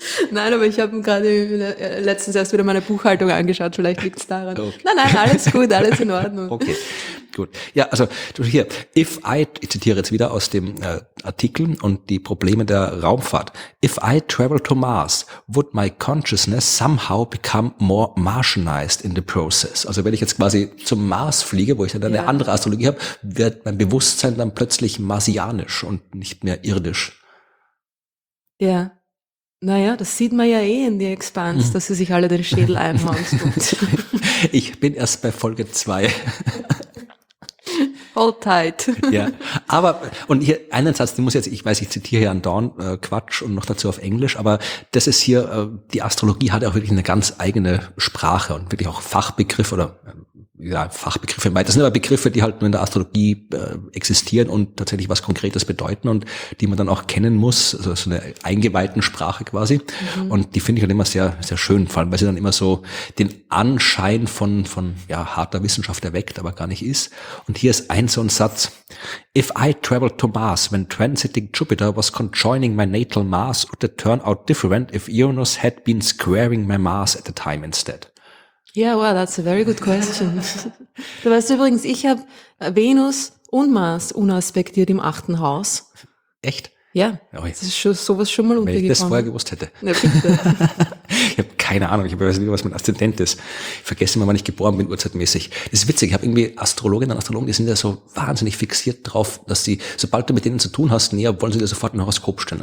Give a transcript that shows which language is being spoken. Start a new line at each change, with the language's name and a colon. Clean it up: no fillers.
German: Nein, aber ich habe gerade letztens erst wieder meine Buchhaltung angeschaut, vielleicht liegt es daran. Okay. Nein, nein, alles gut, alles in Ordnung. Okay, gut. Ja, also hier,
English: if I,
German: ich zitiere jetzt wieder aus dem Artikel und die Probleme der Raumfahrt.
English: If I travel to Mars, would my consciousness somehow become more Martianized in the process?
German: Also wenn ich jetzt quasi zum Mars fliege, wo ich dann eine andere Astrologie habe, wird mein Bewusstsein dann plötzlich marsianisch und nicht mehr irdisch. Ja, naja, das sieht man ja eh in die Expanse, dass sie sich alle den Schädel einhauen. Ich bin erst bei Folge 2.
English: Hold tight.
German: Ja, aber, und hier einen Satz, den muss jetzt, ich weiß, ich zitiere hier an Dawn Quatsch und noch dazu auf Englisch, aber das ist hier, die Astrologie hat ja auch wirklich eine ganz eigene Sprache und wirklich auch Fachbegriffe oder ja, Fachbegriffe, das sind aber Begriffe, die halt nur in der Astrologie existieren und tatsächlich was Konkretes bedeuten und die man dann auch kennen muss, also so eine eingeweihten Sprache quasi. Mhm. Und die finde ich halt immer sehr, sehr schön, vor allem, weil sie dann immer so den Anschein von ja, harter Wissenschaft erweckt, aber gar nicht ist. Und hier ist ein so ein Satz.
English: If I traveled to Mars when transiting Jupiter was conjoining my natal Mars, would it turn out different if Uranus had been squaring my Mars at the time instead? Yeah, well, that's a very good question.
German: Du weißt übrigens, ich habe Venus und Mars unaspektiert im achten Haus. Echt? Ja, okay. Das ist schon, sowas schon mal untergekommen. Wenn ich das vorher gewusst hätte. Ja, bitte. Ich habe keine Ahnung, ich weiß nicht, was mein Aszendent ist. Ich vergesse immer, wann ich geboren bin, urzeitmäßig. Das ist witzig, ich habe irgendwie Astrologinnen und Astrologen, die sind ja so wahnsinnig fixiert drauf, dass sie, sobald du mit denen zu tun hast, näher, wollen sie dir sofort ein Horoskop stellen.